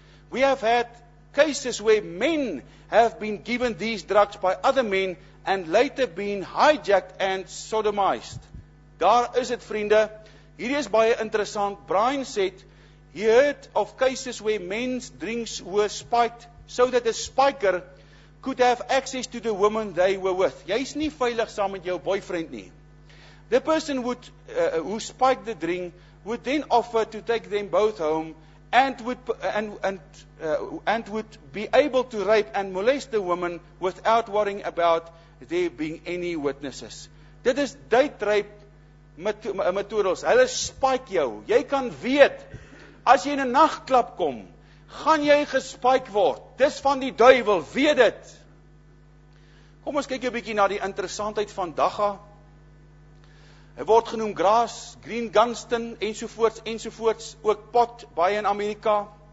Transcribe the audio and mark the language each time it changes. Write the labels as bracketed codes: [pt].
[en] We have had cases where men have been given these drugs by other men and later been hijacked and sodomized. [af] Daar is het, vriende. Hierdie is baie interessant. [en] Brian said, he heard of cases where men's drinks were spiked, so that a spiker could have access to the woman they were with. [af] Jy is nie veilig saam met jou boyfriend nie. [en] The person who spiked the drink would then offer to take them both home and would be able to rape and molest the woman without worrying about there being any witnesses. [af] Dit is date rape materials, hulle spike jou. Jy kan weet, as jy in 'n nachtklap kom, gaan jy gespike word. Dis van die duivel, weet dit. Kom ons kyk 'n bietjie na die interessantheid van Dagga. Hy word genoem grass, green gunston, ensovoorts, ensovoorts, ook pot, baie in Amerika.